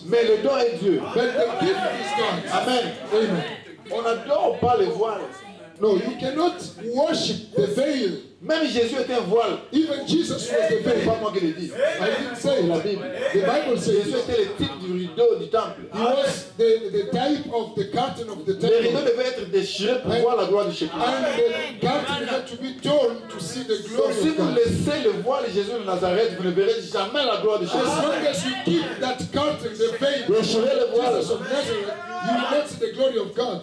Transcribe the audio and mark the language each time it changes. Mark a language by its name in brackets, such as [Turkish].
[French] Mais le don est Dieu. [English] But the gift is God. Amen. Amen. [French] On n'adore pas les voiles. [English] No, you cannot worship the veil. [French] Même Jésus était un voile. [English] Even Jesus was the veil. [French] Pas moi qui l'ai dit. [English] I didn't say [French] la Bible. [English] The Bible says [French] Jésus était le type du rideau du temple. [English] He was the type of the curtain of the temple. [French] Le rideau devait être déchiré pour voir la gloire de Jésus. [English] And the curtain had to be torn to see the glory. [French] Donc, si vous laissez le voile de Jésus de Nazareth, vous ne verrez jamais la gloire de Jésus. [English] As long as you keep that curtain, the veil, [French] vous déchirez le voile de Nazareth. [English] You will not see the glory of God.